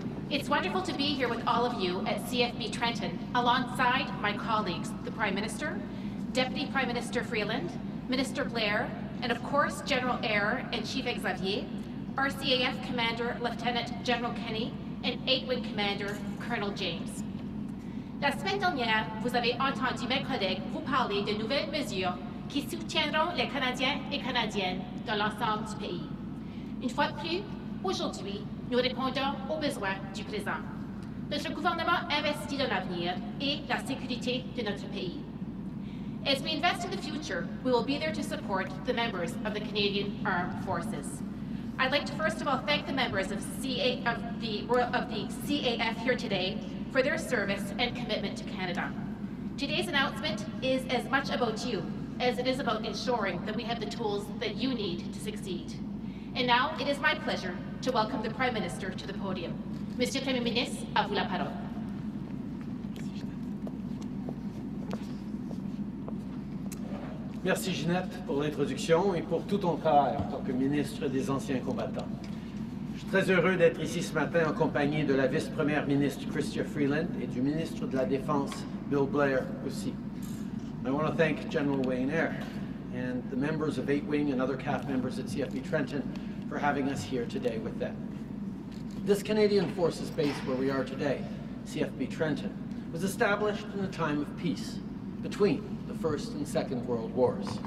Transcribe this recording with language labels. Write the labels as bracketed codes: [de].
[en] It's wonderful to be here with all of you at CFB Trenton, alongside my colleagues, the Prime Minister, Deputy Prime Minister Freeland, Minister Blair, and of course, General Eyre and Chief Xavier, RCAF Commander Lieutenant General Kenny, and 8 Wing Commander Colonel James. [fr] La semaine dernière, vous avez entendu mes collègues vous parler de nouvelles mesures qui soutiendront les Canadiens et Canadiennes dans l'ensemble du pays. Une fois de plus, aujourd'hui, nous répondons aux besoins du présent. Notre gouvernement investit dans l'avenir et la sécurité de notre pays. [en] As we invest in the future, we will be there to support the members of the Canadian Armed Forces. I'd like to first of all thank the members of the CAF here today for their service and commitment to Canada. Today's announcement is as much about you as it is about ensuring that we have the tools that you need to succeed. And now, it is my pleasure to welcome the Prime Minister to the podium. [fr] Monsieur Premier Ministre, à vous la parole. Merci, Ginette, pour l'introduction et pour tout ton travail en tant que ministre des Anciens Combattants. Je suis très heureux d'être ici ce matin en compagnie de la vice-première ministre, Chrystia Freeland, et du ministre de la Défense, Bill Blair, aussi. [en] I want to thank General Wayne Eyre and the members of 8 Wing and other CAF members at CFB Trenton for having us here today with them. This Canadian Forces base where we are today, CFB Trenton, was established in a time of peace between the First and Second World Wars.